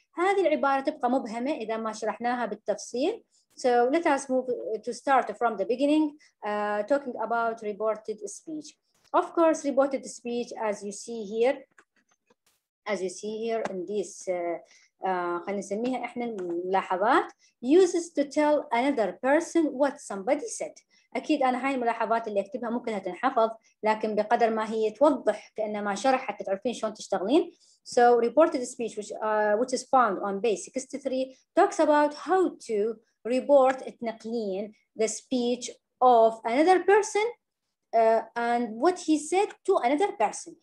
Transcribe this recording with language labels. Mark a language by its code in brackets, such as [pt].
[ar] هذه العبارة تبقى مبهمة إذا ما شرحناها بالتفصيل. [en] So let us move to start from the beginning, talking about reported speech. Of course, reported speech, as you see here, in this, [ar] خلينا نسميها احنا الملاحظات, [en] uses to tell another person what somebody said. [ar] اكيد انا هاي الملاحظات اللي اكتبها مو كلها تنحفظ, لكن بقدر ما هي توضح كانما شرح حتى تعرفين شلون تشتغلين. [en] So reported speech, which is found on base 63, talks about how to report, [ar] تنقلين [en] the speech of another person and what he said to another person.